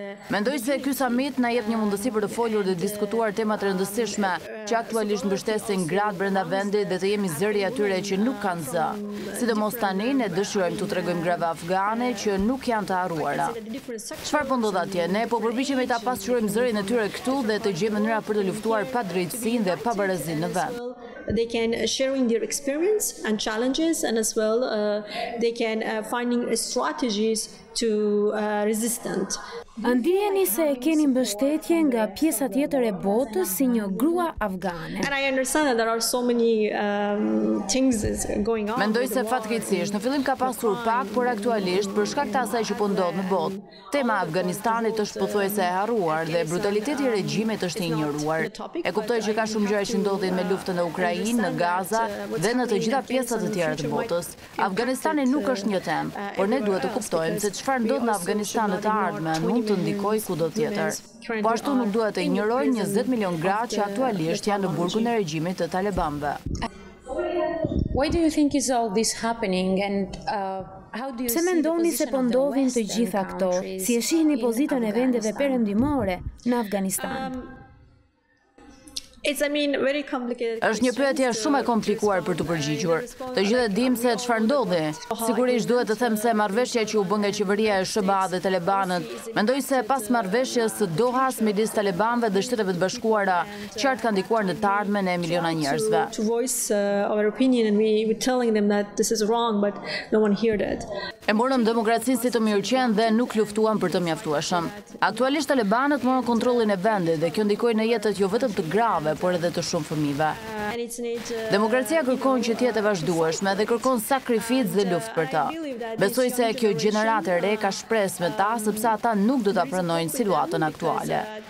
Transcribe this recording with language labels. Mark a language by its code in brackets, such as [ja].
[sq] Mendoj se ky summit na jep një mundësi për të folur dhe diskutuar tema të rëndësishme që aktualisht mbështesin gratë brenda vendit dhe të jemi zëri atyre që nuk kanë zë. Sidomos tani ne dëshirojmë të tregojmë grave afgane që nuk janë të harruara. Çfarë po ndodh atje? Ne po përpiqemi ta pasqyrojmë zërin e tyre këtu dhe të gjejmë mënyra për të luftuar pa drejtësinë dhe pa barazinë në vend. [en] They can sharing their experience and challenges and as well they can finding strategies to resistant. [sq] Ndjeni se e keni mbështetje nga pjesa tjetër e botës si një grua afgane. [en] And I understand that there are so many things going on. [sq] Mendoj se fatkeqësisht në fillim ka pasur pak, por aktualisht për shkak të asaj që po ndodh në botë, tema e Afganistanit është pothuajse e harruar dhe brutaliteti i regjimit është i injoruar. E kuptoj që ka shumë gjëra që ndodhin me luftën në Ukrainë, në Gaza dhe në të gjitha pjesat e tjera të botës. Afganistani nuk është një temë, por ne duhet të kuptojmë se çfarë ndodh në Afganistan të ardhmen. Mund të ndikoj kudo tjetër. Po ashtu nuk duhet të ignoroj 20 milion gra që aktualisht janë në burgun e regjimit të talibanëve. [en] Why do you think is all this happening and [sq] Pse mendoni se po ndodhin të gjitha këto? Si e shihni pozitën e vendeve perëndimore në Afganistan? Është një pyetje shumë e komplikuar për të përgjigjur. Të gjithë dimë se çfarë ndodhi. Sigurisht duhet të them se marrëveshja që u bën nga qeveria e SBA dhe talibanët, mendoj se pas marrëveshjes së Dohas midis talibanëve dhe Shteteve të Bashkuara, qartë ka ndikuar në të ardhmen e miliona njerëzve. [en] To voice our opinion and we were telling them that this is wrong but no one heard it. [sq] E morëm demokracinë si të mirëqenë dhe nuk luftuam për të mjaftueshëm. Aktualisht talibanët morën kontrollin e vendit dhe kjo ndikoi në jetët jo vetëm të grave, por edhe të shumë fëmijëve. Demokracia kërkon që të jetë e vazhdueshme dhe kërkon sakrificë dhe luftë për të. Besoj se kjo gjeneratë e re ka shpresë me ta sepse ata nuk do ta pranojnë situatën aktuale.